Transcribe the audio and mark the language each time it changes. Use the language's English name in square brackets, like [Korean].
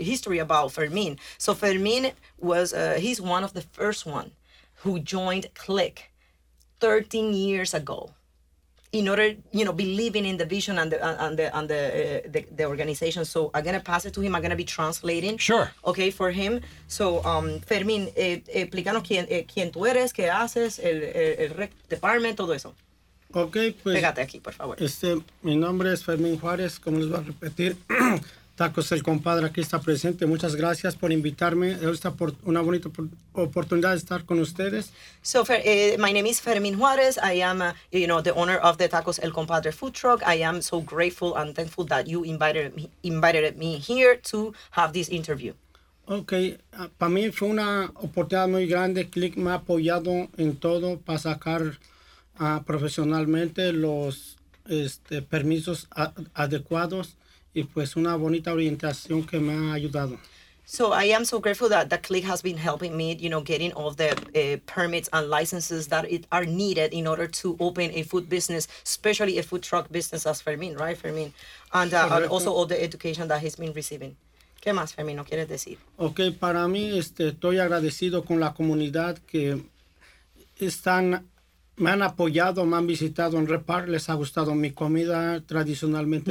[English] history about Fermín. So Fermín... was he's one of the first one who joined Click 13 years ago in order, believing in the vision and the organization. So I'm going to pass it to him. I'm going to be translating. Sure. Okay, for him. [Spanish] So, Fermín, explícanos quién tú eres, qué haces, el [English] rec department, [Spanish] todo eso. Okay, pues... Pégate aquí, por favor. Mi nombre es Fermín Juárez, como les voy a repetir... Tacos El Compadre aquí está presente. Muchas gracias por invitarme. Esta por una bonita oportunidad de estar con ustedes. [English] So, my name is Fermín Juárez. I am, the owner of the Tacos El Compadre food truck. I am so grateful and thankful that you invited me here to have this interview. [Spanish] Okay, para mí fue una oportunidad muy grande. Click me ha apoyado en todo para sacar profesionalmente los permisos adecuados. Y pues una bonita orientación que me ha ayudado. [English] So I am so grateful that the Click has been helping me, getting all the permits and licenses that are needed in order to open a food business, especially a food truck business as Fermín, right, Fermín? And also all the education that he's been receiving. [Spanish] ¿Qué más, Fermín, no quieres decir? Okay, para mí estoy agradecido con la comunidad que están... Me han apoyado, me han visitado en Repar, les ha gustado mi comida tradicionalmente.